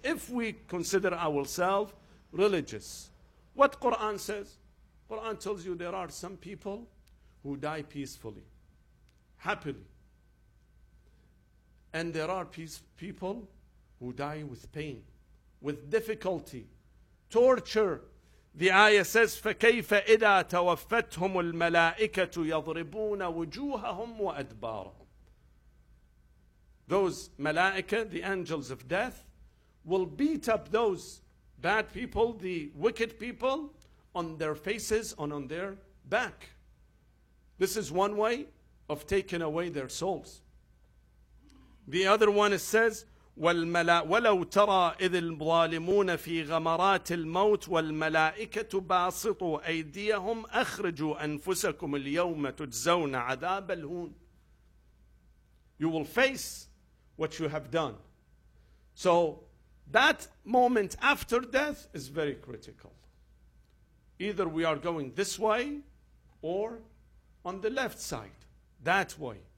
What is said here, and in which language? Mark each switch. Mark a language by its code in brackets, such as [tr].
[en] If we consider ourselves religious, what Quran says? Quran tells you there are some people who die peacefully, happily. And there are people who die with pain, with difficulty, torture. The ayah says, [ar] فَكَيْفَ إِذَا تَوَفَّتْهُمُ الْمَلَائِكَةُ يَضْرِبُونَ وُجُوهَهُمْ وَأَدْبَارَهُمْ. [en] Those malaika, the angels of death, will beat up those bad people, the wicked people, on their faces and on their back. This is one way of taking away their souls. The other one, it says, [ar] وَلَوْ تَرَى إِذِ الظَّالِمُونَ فِي غَمَرَاتِ الْمَوْتِ وَالْمَلَائِكَةُ بَاسِطُوا أَيْدِيَهُمْ أَخْرِجُوا أَنفُسَكُمْ الْيَوْمَ تُجْزَوْنَ عَذَابَ الْهُونَ. [en] You will face what you have done. So that moment after death is very critical. Either we are going this way or on the left side, that way.